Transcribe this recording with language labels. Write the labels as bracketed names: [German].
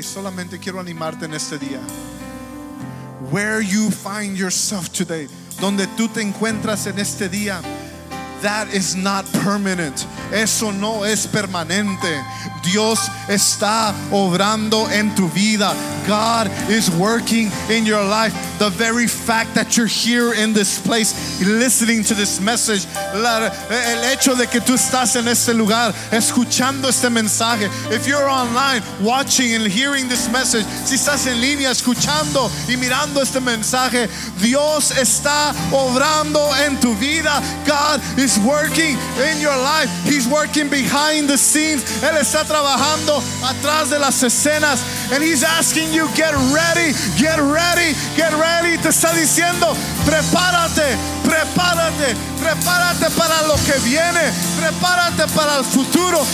[Spanish] Solamente quiero animarte en este día. Where you find yourself today, donde tú te encuentras en este día, that is not permanent. Eso no es permanente. Dios está obrando en tu vida. God is working in your life. [English] the very fact that you're here in this place listening to this message. [Spanish] El hecho de que tú estás en este lugar escuchando este mensaje. If you're online watching and hearing this message, si estás en línea escuchando y mirando este mensaje, Dios está obrando en tu vida. [English] God is working in your life. He's working behind the scenes. [Spanish] Él está trabajando atrás de las escenas. [English] And he's asking you, get ready, get ready, get ready. [Spanish] Te está diciendo, prepárate, prepárate, prepárate para lo que viene, prepárate para el futuro.